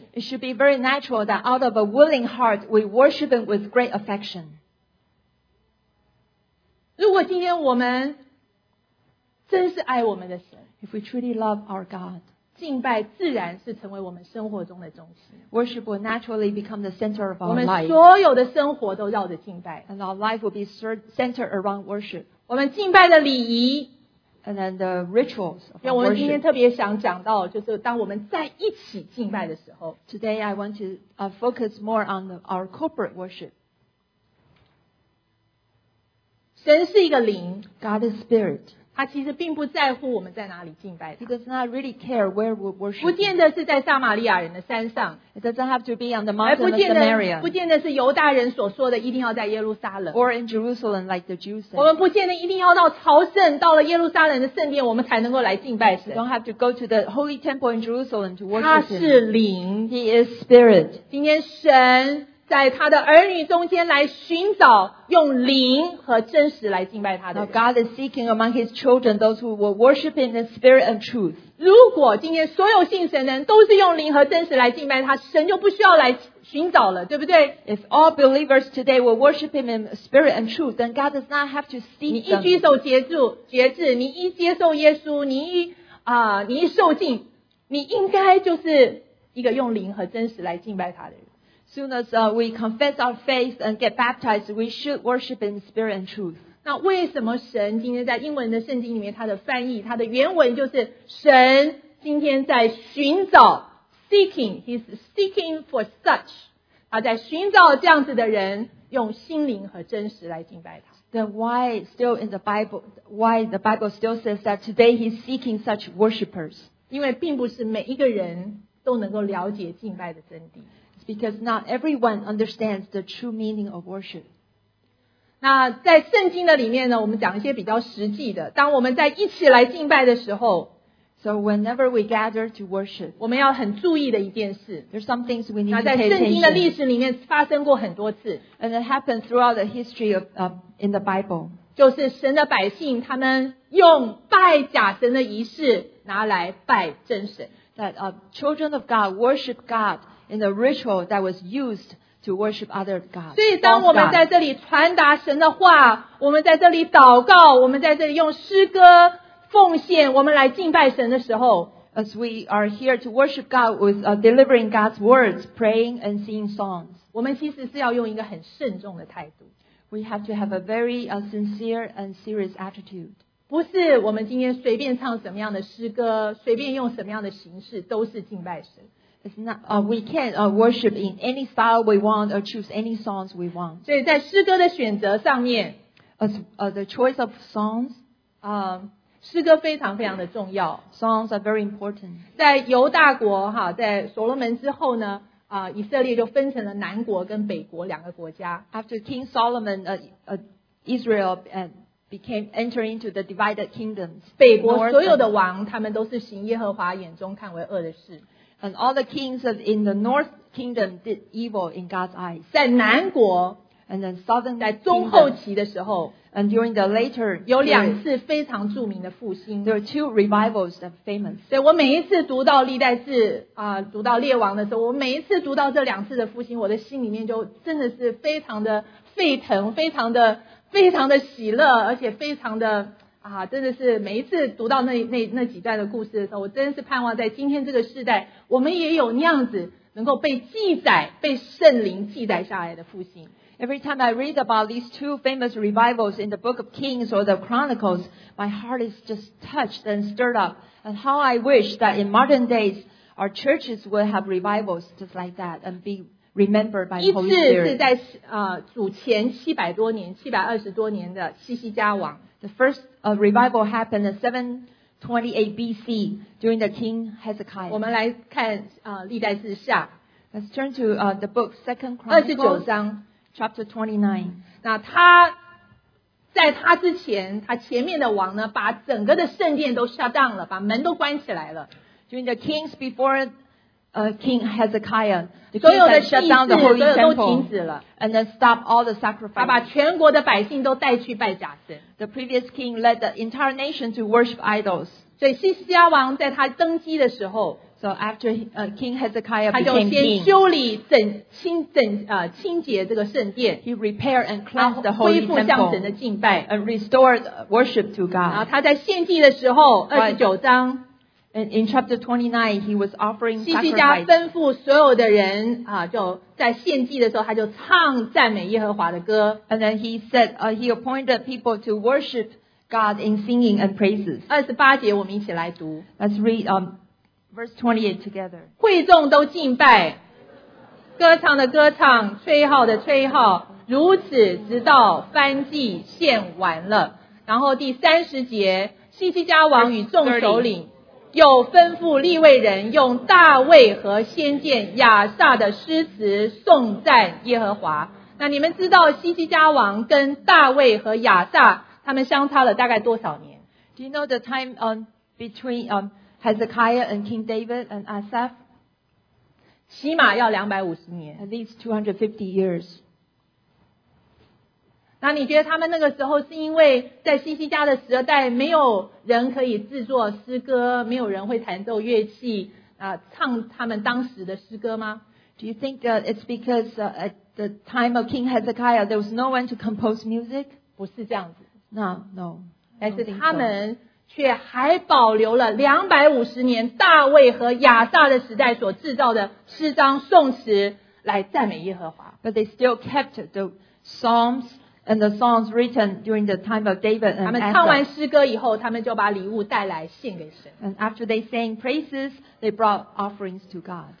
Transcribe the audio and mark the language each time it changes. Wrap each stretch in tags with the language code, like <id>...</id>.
<en>It should be very natural that out of a willing heart, we worship him with great affection.</en> <zh>如果今天我们真是爱我们的神，</zh> <en>If we truly love our God,</en> <zh>敬拜自然是成为我们生活中的中心。</zh> <en>Worship will naturally become the center of our life.</en> <zh>我们所有的生活都绕着敬拜。</zh> <en>And our life will be centered around worship.</en> <zh>我们敬拜的礼仪。</zh> <en>And then the rituals of worship.</en> <zh>我们今天特别想讲到，就是当我们在一起敬拜的时候。</zh> <en>Today I want to focus more on our corporate worship.</en> <zh>神是一个灵。</zh> <en>God is spirit.</en> <zh>他其实并不在乎我们在哪里敬拜他。</zh> <en>He does not really care where we worship.</en> <zh>不见得是在撒玛利亚人的山上。</zh> <en>It doesn't have to be on the mountain of Samaria.</en> <zh>不见得是犹大人所说的一定要在耶路撒冷。</zh> <en>Or in Jerusalem like the Jews said.</en> <zh>我们不见得一定要到朝圣，到了耶路撒冷的圣殿，我们才能够来敬拜神。</zh> <en>You don't have to go to the holy temple in Jerusalem to worship.</en> <zh>他是灵。</zh> <en>He is spirit.</en> <zh>今天神在他的儿女中间来寻找用灵和真实来敬拜他的人。</zh> <en>Now God is seeking among his children those who will worship in the spirit and truth.</en> <zh>如果今天所有信神的人都是用灵和真实来敬拜他，神就不需要来寻找了，对不对？</zh> <en>If all believers today will worship him in spirit and truth, then God does not have to seek them.</en> <zh>你一举手节制，你一接受耶稣，你一受浸，你应该就是一个用灵和真实来敬拜他的人。</zh> <en>Soon as we confess our faith and get baptized, we should worship in spirit and truth.</en> <zh>那为什么神今天在英文的圣经里面，它的翻译，它的原文就是神今天在寻找</zh> <en>seeking, he's seeking for such.</en> <zh>他在寻找这样子的人，用心灵和真实来敬拜他。</zh> <en>Then why still in the Bible, why the Bible still says that today he's seeking such worshippers?</en> <zh>因为并不是每一个人都能够了解敬拜的真谛。</zh> <en>Because not everyone understands the true meaning of worship.</en> <zh>那在圣经的里面呢，我们讲一些比较实际的。当我们在一起来敬拜的时候</zh> <en>，So whenever we gather to worship,</en> <zh>我们要很注意的一件事。</zh> <en>There's some things we need to pay attention.</en> <zh>那在圣经的历史里面发生过很多次</zh> <en>，And it happened throughout the history of in the Bible.</en> <zh>就是神的百姓他们用拜假神的仪式拿来拜真神。</zh> <en>That children of God worship God. In the ritual that was used to worship other gods.</en> <zh>所以当我们在这里传达神的话，我们在这里祷告，我们在这里用诗歌奉献，我们来敬拜神的时候，</zh> <en>As we are here to worship God with delivering God's words, praying and singing songs.</en> <zh>我们其实是要用一个很慎重的态度。</zh> <en>We have to have a very sincere and serious attitude.</en> <zh>不是我们今天随便唱什么样的诗歌，随便用什么样的形式，都是敬拜神。</zh> <en>It's not, we can't worship in any style we want or choose any songs we want.</en> <zh>所以在诗歌的选择上面</zh> <en>the choice of songs,</en> <zh>诗歌非常非常的重要。</zh> <en>Songs are very important.</en> <zh>在犹大国哈，在所罗门之后呢，以色列就分成了南国跟北国两个国家。</zh> <en>After King Solomon, Israel entered into the divided kingdoms.</en> <zh>北国所有的王，他们都是行耶和华眼中看为恶的事。</zh> <en>And all the kings in the north kingdom did evil in God's eyes.</en> <zh>在南国</zh> <en>and then southern kingdom,</en> <zh>在中后期的时候</zh> <en>and during the later period,</en> <zh>有两次非常著名的复兴。</zh> <en>There are two revivals that are famous.</en> <zh>所以我每一次读到历代志读到列王的时候，我每一次读到这两次的复兴，我的心里面就真的是非常的沸腾，非常的喜乐，而且非常的真的是每一次读到那几段的故事的时候，我真的是盼望在今天这个世代，我们也有那样子能够被记载，被圣灵记载下来的复兴。</zh> <en>Every time I read about these two famous revivals in the Book of Kings or the Chronicles, my heart is just touched and stirred up. And how I wish that in modern days our churches would have revivals just like that and be remembered by the Holy Spirit.</en> <zh>一次是在主前720多年的西西家王。</zh> <en>The first revival happened in 728 BC during the King Hezekiah.</en> <zh>我们来看历代志下。</zh> <en>Let's turn to the book Second Chronicles, chapter 29.</en> <zh>那他在他之前，他前面的王呢，把整个的圣殿都</zh> <en>shut down</en> <zh>了，把门都关起来了。</zh> <en>During the kings before King Hezekiah, the king had shut down the holy temple and then stop all the sacrifices. The previous king led the entire nation to worship idols.</en> <zh>所以西西亚王在他登基的时候，</zh> <en>so after King Hezekiah became king,</en> <zh>他就先修理整清整清洁这个圣殿，</zh> <en>he repaired and cleansed the holy temple,</en> <zh>恢复向神的敬拜，</zh> <en>and restored worship to God.</en> <zh>然后他在献祭的时候，29章。</zh> <en>And in chapter 29, he was offering sacrifice.</en> <zh>西西家吩咐所有的人啊，就在献祭的时候，他就唱赞美耶和华的歌。</zh> <en>And then he said, he appointed people to worship God in singing and praises.</en> <zh>28节，我们一起来读。</zh> <en>Let's read verse 28 together.</en> <zh>会众都敬拜，歌唱的歌唱，吹号的吹号，如此直到燔祭献完了。然后第30节，西西家王与众首领。又吩咐利未人用大卫和先见亚萨的诗词颂赞耶和华。那你们知道西西家王跟大卫和亚萨他们相差了大概多少年？</zh> <en>Do you know the time between Hezekiah and King David and Asaph?</en> <zh>起码要250年。</zh> <en>At least 250 years.</en> <zh>那你觉得他们那个时候是因为在西西家的时代没有人可以制作诗歌，没有人会弹奏乐器啊，唱他们当时的诗歌吗？</zh> <en>Do you think it's because at the time of King Hezekiah there was no one to compose music?</en> <zh>不是这样子。</zh> <en>No.</en> <zh>但是他们却还保留了250年大卫和亚萨的时代所制造的诗章颂词来赞美耶和华。</zh> <en>But they still kept the psalms. And the songs written during the time of David and Asaph.</en> <zh>他们唱完诗歌以后，他们就把礼物带来献给神。</zh> <en>And after they sang praises, they brought offerings to God.</en>